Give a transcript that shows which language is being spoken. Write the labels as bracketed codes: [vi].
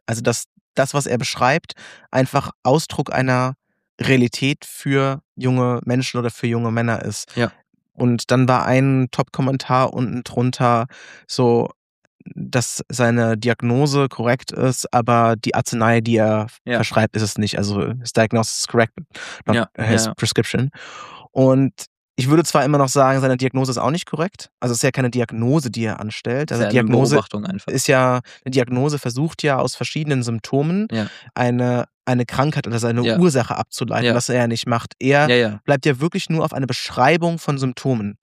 [de] Also dass das, was er beschreibt, einfach Ausdruck einer Realität für junge Menschen oder für junge Männer ist. Ja. Und dann war ein Top-Kommentar unten drunter so, dass seine Diagnose korrekt ist, aber die Arznei, die er verschreibt, ist es nicht. [en] Also his diagnosis is correct, but not his prescription. [de] Und ich würde zwar immer noch sagen, seine Diagnose ist auch nicht korrekt. Also es ist ja keine Diagnose, die er anstellt. Also Diagnose ist ja, eine Diagnose versucht ja aus verschiedenen Symptomen eine Krankheit oder seine Ursache abzuleiten, was er ja nicht macht. Er bleibt ja wirklich nur auf eine Beschreibung von Symptomen.